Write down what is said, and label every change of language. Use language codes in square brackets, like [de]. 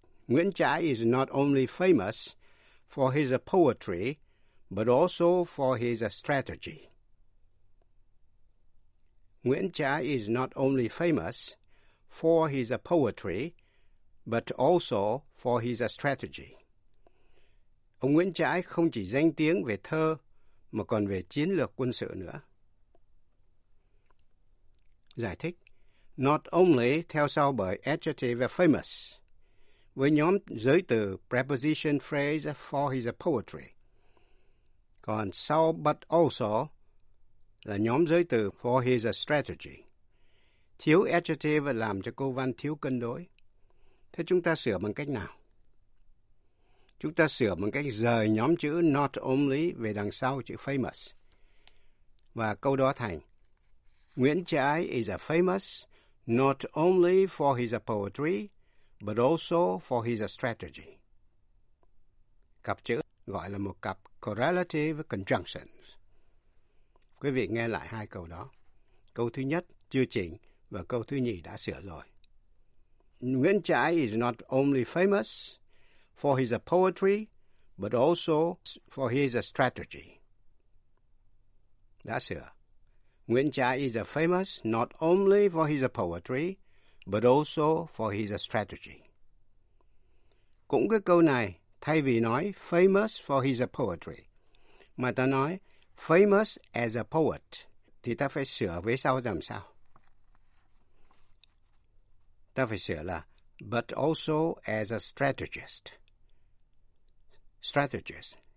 [en] Nguyễn Trãi is not only famous for his poetry, but also for his strategy. Nguyễn Trãi is not only famous for his poetry, but also for his strategy. [vi] Ông Nguyễn Trãi không chỉ danh tiếng về thơ, mà còn về chiến lược quân sự nữa. Giải thích. Not only theo sau bởi adjective famous, với nhóm giới từ preposition phrase for his poetry. Còn sau but also là nhóm giới từ for his strategy. Thiếu adjective làm cho câu văn thiếu cân đối. Thế chúng ta sửa bằng cách nào? Chúng ta sửa bằng cách rời nhóm chữ not only về đằng sau chữ famous. Và câu đó thành [en] Nguyễn Trãi is a famous not only for his poetry but also for his strategy. [vi] Cặp chữ gọi là một cặp correlative conjunction. Quý vị nghe lại hai câu đó. Câu thứ nhất chưa chỉnh và câu thứ nhì đã sửa rồi. [en] Nguyễn Trãi is not only famous for his poetry, but also for his strategy. [vi] Đã sửa. [en] Nguyễn Trãi is famous not only for his poetry, but also for his strategy. [vi] Cũng cái câu này, thay vì nói [en] famous for his poetry, [vi] mà ta nói famous as a poet, thì ta phải sửa vế sau làm sao? Ta phải sửa là [en] but also as a strategist. Strategist.